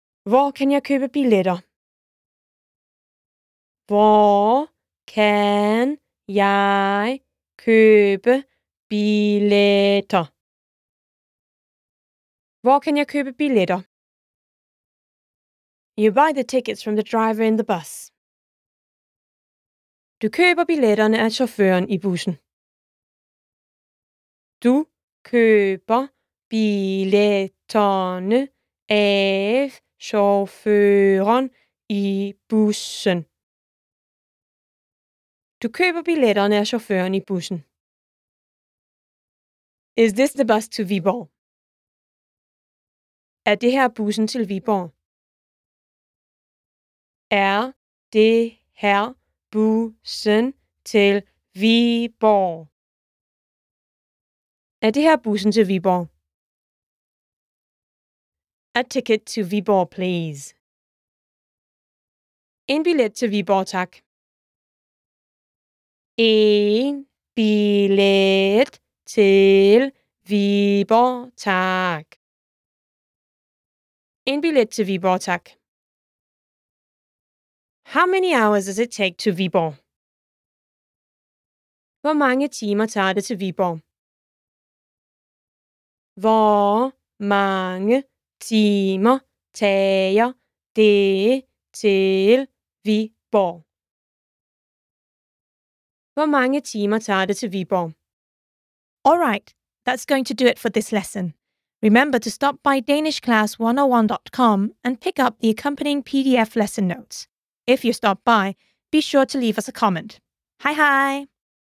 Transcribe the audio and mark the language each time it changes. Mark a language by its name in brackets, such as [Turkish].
[Danish] Hvor kan jeg købe billetter? Hvor kan jeg købe billetter? Hvor kan jeg købe billetter? [English] You buy the tickets from the driver in the bus. [Danish] Du køber billetterne af chaufføren i bussen. Du køber billetterne af chaufføren i bussen. Du køber billetterne af chaufføren i bussen. [English] Is this the bus to Viborg? [Danish] Er det her bussen til Viborg? Er det her bussen til Viborg? Er det her bussen til Viborg? [English] A ticket to Viborg, please. [Danish] En billet til Viborg, tak. En billet til Viborg, tak. En billet til Viborg, tak. [English] How many hours does it take to Viborg? [Danish] Hvor mange timer tager det til Viborg? Hvor mange timer tager det til Viborg? Hvor mange timer tager det til Viborg? [English] All right, that's going to do it for this lesson. Remember to stop by danishclass101.com and pick up the accompanying PDF lesson notes. If you stop by, be sure to leave us a comment. Hi, hi!